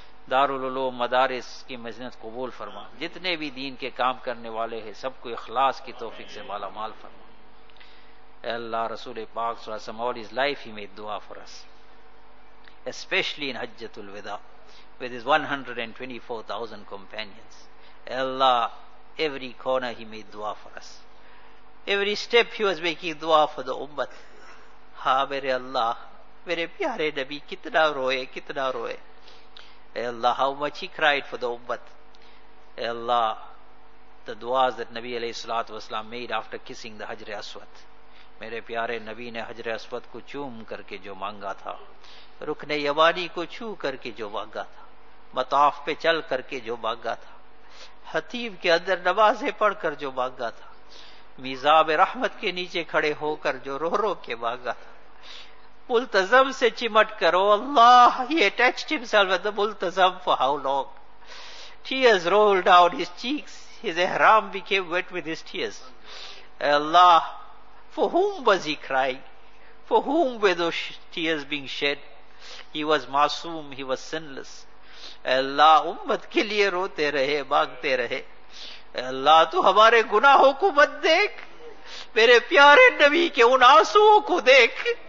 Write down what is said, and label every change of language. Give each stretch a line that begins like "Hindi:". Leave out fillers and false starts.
Urdu: دار العلوم مدارس کی مجنت قبول فرما، جتنے بھی دین کے کام کرنے والے ہیں سب کو اخلاص کی توفیق سے مالا مال فرما. اے اللہ رسول پاک صلی اللہ علیہ وسلم،
English: all his life he made دعا for us, especially in حجت الوداع with his 124,000 companions. اے اللہ, every corner he made دعا for us, every step he was making دعا for the امت.
Urdu: ہاں میرے اللہ, میرے پیارے نبی کتنا روئے کتنا روئے.
English: اے اللہ, how much he cried for the امت. اے اللہ, the duas that نبی علیہ الصلوۃ والسلام made after kissing the حجر اسود.
Urdu: میرے پیارے نبی نے حجر اسود کو چوم کر کے جو مانگا تھا, رکن یمانی کو چھو کر کے جو مانگا تھا, مطاف پہ چل کر کے جو مانگا تھا, حتیب کے اندر نمازیں پڑھ کر جو مانگا تھا, میزاب رحمت کے نیچے کھڑے ہو کر جو رو رو کے مانگا تھا, ملتزم سے چمٹ کر, او اللہ,
English: he attached himself with the ملتزم for how long. Tears rolled down his cheeks, his ihram became wet with his tears. اے اللہ, for whom was he crying? For whom were those tears being shed? He was masoom, he was sinless.
Urdu: اے اللہ, امت کے لیے روتے رہے مانگتے رہے. اے اللہ, تو ہمارے گناہوں کو مت دیکھ, میرے پیارے نبی کے ان آنسوؤں کو دیکھ.